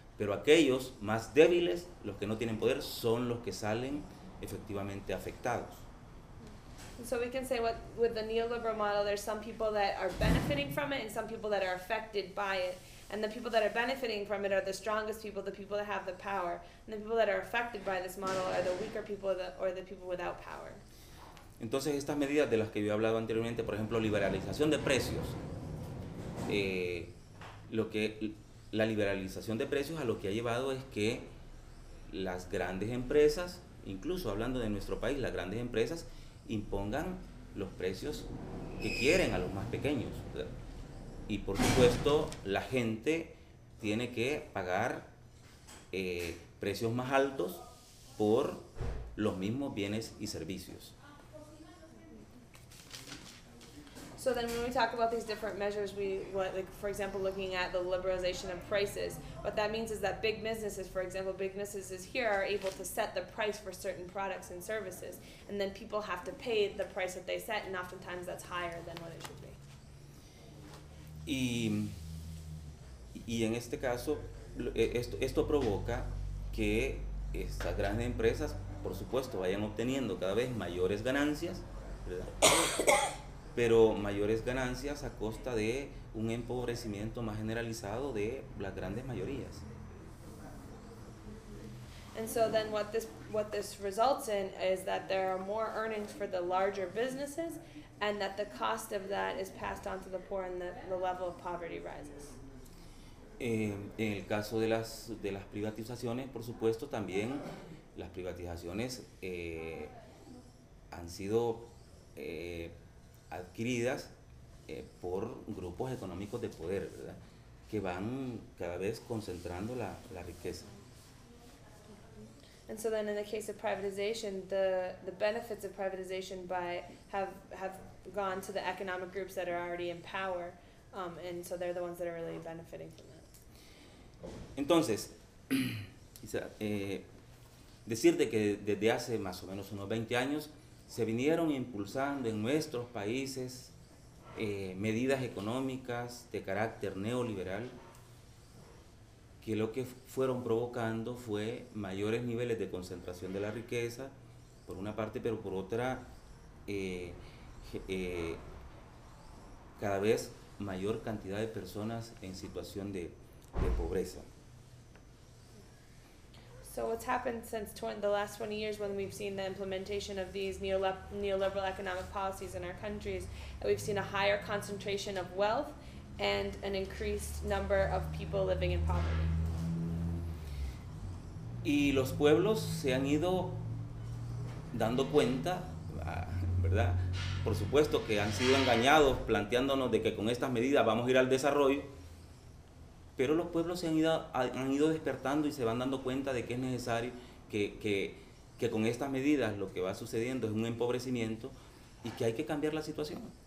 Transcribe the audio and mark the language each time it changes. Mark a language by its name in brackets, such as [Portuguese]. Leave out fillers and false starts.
[Spanish] Pero aquellos más débiles, los que no tienen poder, son los que salen efectivamente afectados. [English] So we can say with the neoliberal model, there's some people that are benefiting from it and some people that are affected by it. And the people that are benefiting from it are the strongest people, the people that have the power. And the people that are affected by this model are the weaker people or the people without power. [Spanish] Entonces estas medidas de las que yo he hablado anteriormente, por ejemplo, liberalización de precios, la liberalización de precios a lo que ha llevado es que las grandes empresas, incluso hablando de nuestro país, las grandes empresas impongan los precios que quieren a los más pequeños, ¿verdad? Y por supuesto la gente tiene que pagar precios más altos por los mismos bienes y servicios. [English] So then when we talk about these different measures, for example, looking at the liberalization of prices, what that means is that big businesses here are able to set the price for certain products and services, and then people have to pay the price that they set, and oftentimes that's higher than what it should be. [Spanish] Y en este caso, esto provoca que estas grandes empresas, por supuesto, vayan obteniendo cada vez mayores ganancias, ¿verdad? Pero mayores ganancias a costa de un empobrecimiento más generalizado de las grandes mayorías. [English] And so then what this results in is that there are more earnings for the larger businesses and that the cost of that is passed on to the poor and the level of poverty rises. [Spanish] En el caso de las privatizaciones, por supuesto, también las privatizaciones han sido adquiridas por grupos económicos de poder, ¿verdad? Que van cada vez concentrando la riqueza. [English] And so then in the case of privatization, the benefits of privatization have gone to the economic groups that are already in power, and so they're the ones that are really benefiting from that. [Spanish] Entonces, decirte que desde hace más o menos unos 20 años se vinieron impulsando en nuestros países medidas económicas de carácter neoliberal que lo que fueron provocando fue mayores niveles de concentración de la riqueza, por una parte, pero por otra, cada vez mayor cantidad de personas en situación de pobreza. [English] So what's happened since the last 20 years when we've seen the implementation of these neoliberal economic policies in our countries, that we've seen a higher concentration of wealth and an increased number of people living in poverty. [Spanish] Y los pueblos se han ido dando cuenta, ¿verdad? Por supuesto que han sido engañados planteándonos de que con estas medidas vamos a ir al desarrollo, pero los pueblos se han ido despertando y se van dando cuenta de que es necesario que con estas medidas lo que va sucediendo es un empobrecimiento y que hay que cambiar la situación.